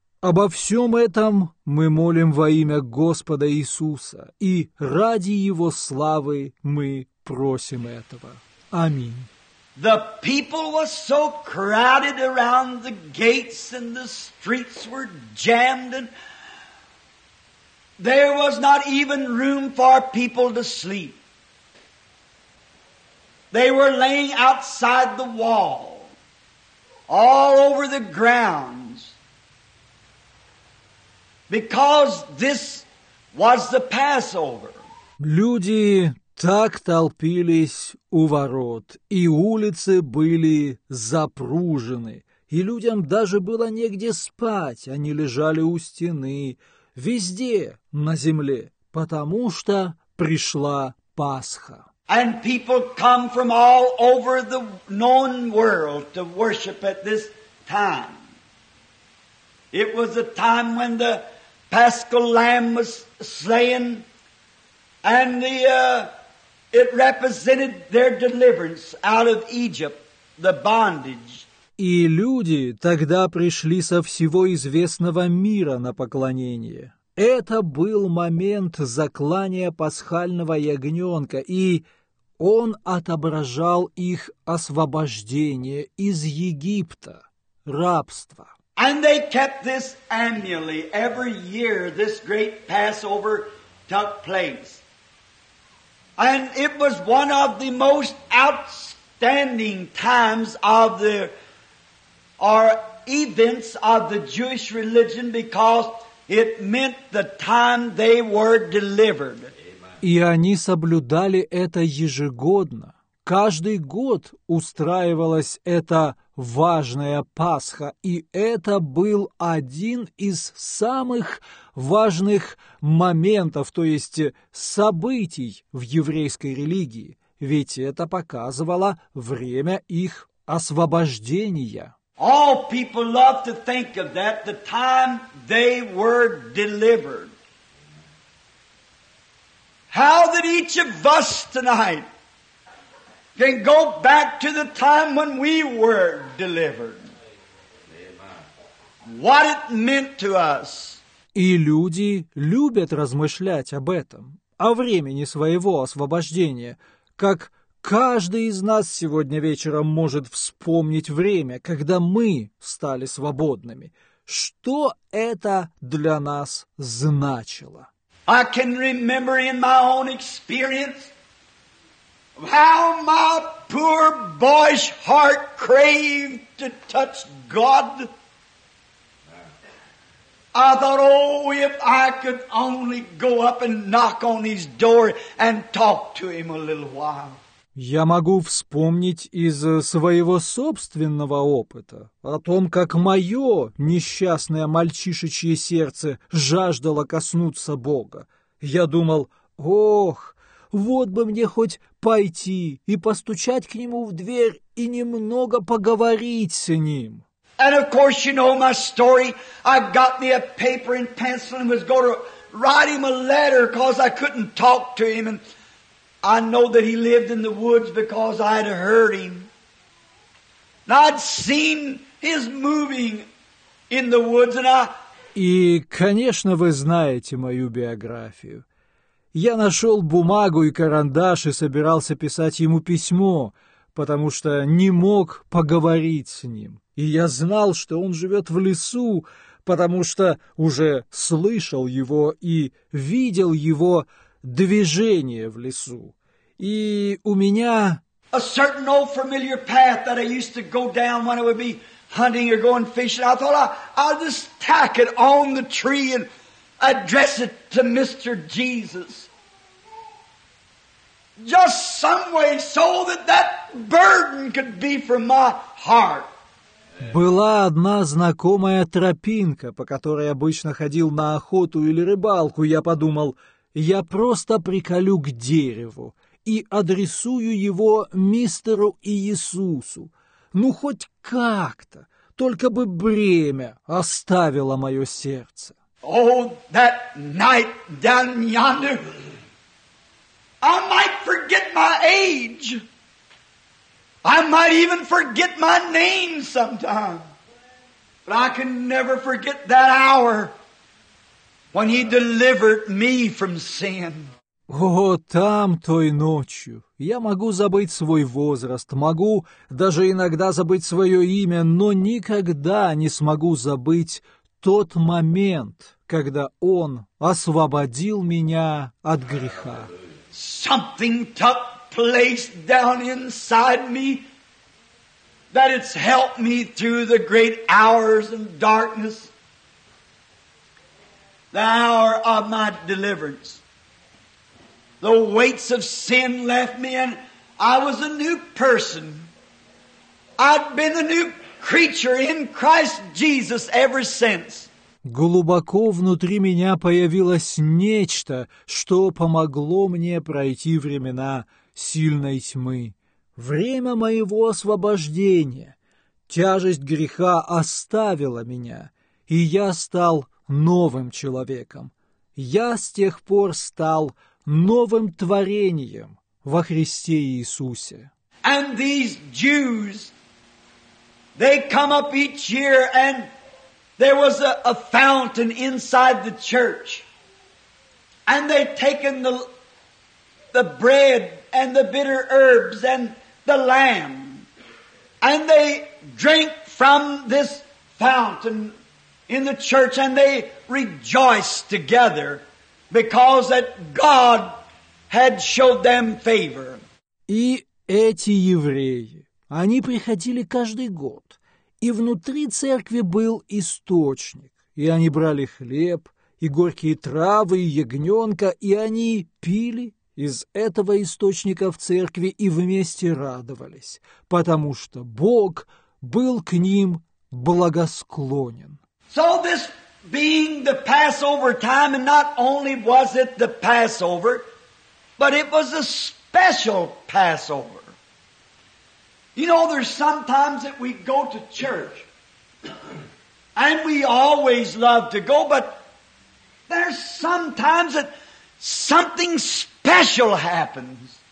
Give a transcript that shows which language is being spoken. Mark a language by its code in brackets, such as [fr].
[ru] Обо всем этом мы молим во имя Господа Иисуса, и ради Его славы мы просим этого. Аминь. [en] The people were so crowded around the gates, and the streets were jammed, and there was not even room for people to sleep. They were laying outside the wall, all over the grounds, because this was the Passover. [ru] Люди так толпились у ворот, и улицы были запружены, и людям даже было негде спать, они лежали у стены, везде на земле, потому что пришла Пасха. [en] And people come from all over the known world to worship at this time. It was a time when the Paschal Lamb was slain, and it represented their deliverance out of Egypt, the bondage. [ru] И люди тогда пришли со всего известного мира на поклонение. Это был момент заклания пасхального ягненка, и он отображал их освобождение из Египта, рабство. [en] And they kept this annually. Every year this great Passover took place. And it was one of the most outstanding times of the or events of the Jewish religion because it meant the time they were delivered. [ru] И они соблюдали это ежегодно. Каждый год устраивалась эта важная Пасха, и это был один из самых важных моментов, то есть событий в еврейской религии, ведь это показывало время их освобождения. [en] All people love to think of that, the time they were delivered. How that each of us tonight can go back to the time when we were delivered. What it meant to us. [ru] И люди любят размышлять об этом, о времени своего освобождения, как каждый из нас сегодня вечером может вспомнить время, когда мы стали свободными. Что это для нас значило? [en] I can remember in my own experience how my poor boyish heart craved to touch God. I thought, oh, if I could only go up and knock on his door and talk to him a little while. [ru] Я могу вспомнить из своего собственного опыта о том, как мое несчастное мальчишечье сердце жаждало коснуться Бога. Я думал, ох, вот бы мне хоть пойти и постучать к Нему в дверь и немного поговорить с Ним. [en] And of course you know my story. I got me a paper and pencil and was going to write him a letter because I couldn't talk to him and I know that he lived in the woods because I had heard him. Now I'd seen his moving in the woods, and I. [ru] И, конечно, вы знаете мою биографию. Я нашел бумагу и карандаш и собирался писать ему письмо, потому что не мог поговорить с ним. И я знал, что он живет в лесу, потому что уже слышал его и видел его движение в лесу. И у меня [en] a certain old familiar path that I used to go down when I would be hunting or going fishing. I thought I'd just tack it on the tree and address it to Mr. Jesus. Just some way so that that burden could be from my heart. [ru] Была одна знакомая тропинка, по которой обычно ходил на охоту или рыбалку. Я подумал, я просто приколю к дереву и адресую его мистеру Иисусу. Ну, хоть как-то, только бы бремя оставило мое сердце. [en] Oh, that night down yonder, I might forget my age. I might even forget my name sometime. But I can never forget that hour when he delivered me from sin. [ru] О, там, той ночью, я могу забыть свой возраст, могу даже иногда забыть свое имя, но никогда не смогу забыть тот момент, когда Он освободил меня от греха. [en] Something took place down inside me that it's helped me through the great hours and darkness, the hour of my deliverance. The weights of sin left me, and I was a new person. I'd been a new creature in Christ Jesus ever since. [ru] Глубоко внутри меня появилось нечто, что помогло мне пройти времена сильной тьмы. Время моего освобождения. Тяжесть греха оставила меня, и я стал новым человеком. Я с тех пор стал новым творением во Христе Иисусе. [en] And these Jews, they come up each year, and there was a fountain inside the church, and they taken the bread and the bitter herbs and the lamb, and they drink from this fountain in the church, and they rejoice together. Because that God had showed them favor. [ru] И эти евреи, они приходили каждый год, и внутри церкви был источник, и они брали хлеб, и горькие травы, и ягненка, и они пили из этого источника в церкви и вместе радовались, потому что Бог был к ним благосклонен. [en] So this being the Passover time, and not only was it the Passover, but it was a special Passover. You know, there's sometimes that we go to church, and we always love to go, but there's sometimes that something special happens.